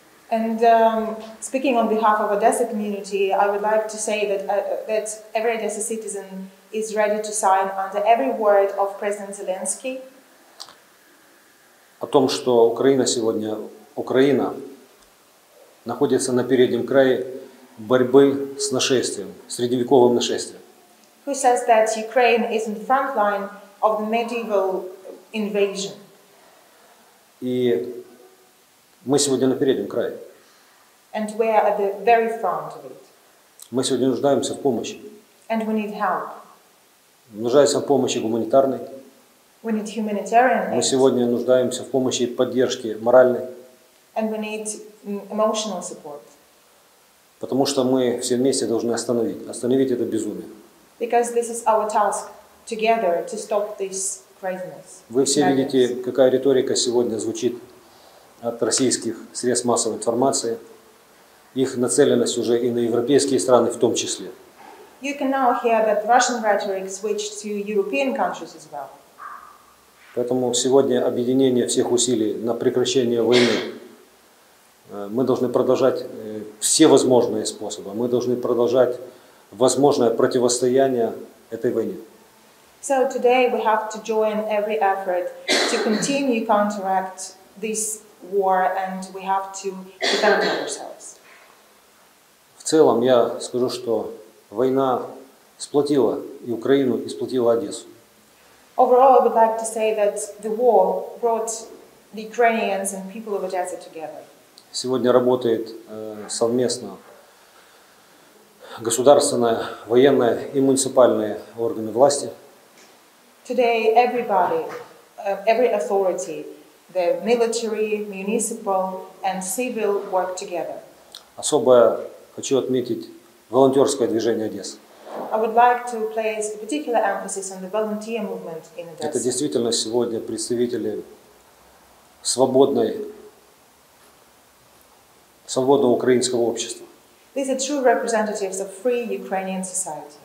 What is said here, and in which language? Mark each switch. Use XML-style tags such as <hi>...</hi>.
<en>And speaking on behalf of Odessa community, I would like to say that every Odessa citizen is ready to sign under every word of President Zelensky.</en> <ru>О том, что Украина сегодня, Украина находится на переднем крае борьбы с нашествием, средневековым нашествием.</ru> <en>Who says that Ukraine is in the front line of the medieval invasion?</en> <ru>И мы сегодня на переднем крае.</ru> <en>And we are at the very front of it.</en> <ru>Мы сегодня нуждаемся в помощи.</ru> <en>And we need help.</en> <ru>Нуждаемся в помощи гуманитарной.</ru> <en>We need humanitarian aid.</en> <ru>Мы сегодня нуждаемся в помощи и поддержке моральной.</ru> <en>And we need emotional support.</en> <ru>Потому что мы все вместе должны остановить это безумие.</ru> <en>Because this is our task together to stop this craziness.</en> <ru>Вы все видите, какая риторика сегодня звучит от российских средств массовой информации. Их нацеленность уже и на европейские страны в том числе.</ru> <en>You can now hear that Russian rhetoric switched to European countries as well.</en> <ru>Поэтому сегодня объединение всех усилий на прекращение войны. Мы должны продолжать все возможные способы. Мы должны продолжать возможное противостояние этой войне.</ru> <en>So today we have to join every effort to continue counteract this war and we have to defend ourselves.</en> <ru>В целом я скажу, что война сплотила и Украину, и сплотила Одессу.</ru> <en>Overall, I would like to say that the war brought the Ukrainians and people of Odessa together.</en> <ru>Сегодня работает совместно государственная, военная и муниципальные органы власти.</ru> <en>Today, everybody, every authority, the military, municipal and civil work together.</en> <ru>Особо хочу отметить волонтерское движение Одессы.</ru> <en>I would like to place a particular emphasis on the volunteer movement in Odessa.</en> <ru>Это действительно сегодня представители свободного украинского общества.</ru> <en>These are true representatives of free Ukrainian society.</en>